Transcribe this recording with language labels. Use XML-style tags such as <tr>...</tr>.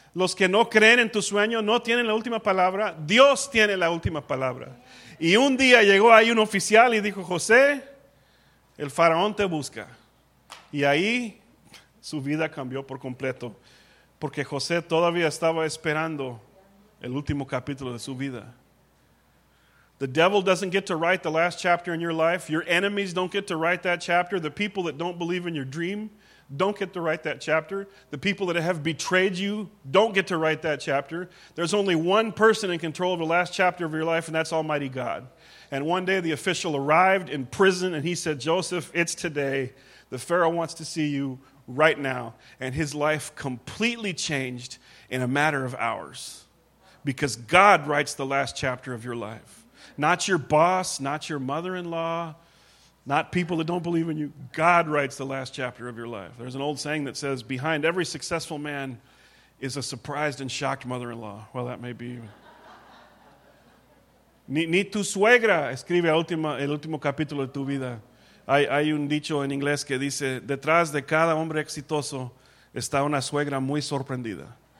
<es>Los que no creen en tu sueño no tienen la última palabra. Dios tiene la última palabra. Y un día llegó ahí un oficial y dijo, José, el faraón te busca. Y ahí su vida cambió por completo. Porque José todavía estaba esperando el último capítulo de su vida.</es> <en>The devil doesn't get to write the last chapter in your life. Your enemies don't get to write that chapter. The people that don't believe in your dream don't get to write that chapter. The people that have betrayed you don't get to write that chapter. There's only one person in control of the last chapter of your life, and that's Almighty God. And one day the official arrived in prison, and he said, Joseph, it's today. The Pharaoh wants to see you right now. And his life completely changed in a matter of hours because God writes the last chapter of your life. Not your boss, not your mother-in-law, not people that don't believe in you. God writes the last chapter of your life. There's an old saying that says, behind every successful man is a surprised and shocked mother-in-law. Well, that may be.</en> <es>Ni tu suegra escribe el último capítulo de tu vida. Hay un dicho en inglés que dice, detrás de cada hombre exitoso está una suegra muy sorprendida.</es>